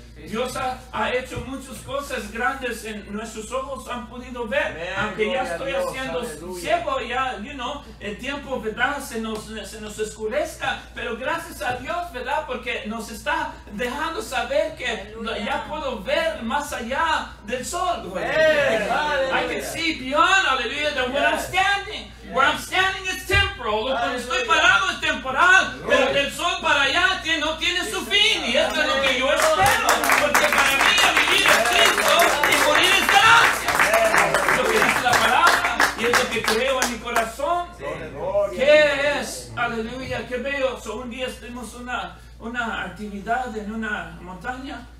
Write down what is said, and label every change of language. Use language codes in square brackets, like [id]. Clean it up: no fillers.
[es] Dios ha hecho muchas cosas grandes en nuestros ojos, han podido ver. Amen, aunque ya estoy haciendo ciego, ya, [en] you know, [es] el tiempo, ¿verdad? Se nos oscurezca, pero gracias a Dios, ¿verdad? Porque nos está dejando saber que ya puedo ver más allá del sol. [en] I can see beyond, aleluya, than where I'm standing. Where I'm standing is temporal. [es] Lo que estoy parado es temporal. Pero del sol para allá no tiene su fin. Y eso es lo que yo espero. Porque para mí a vivir es Cristo y morir es gracia. Es lo que dice la palabra. Y es lo que creo en mi corazón. ¿Qué es? Aleluya. ¿Qué veo? So, un día tenemos una actividad en una montaña.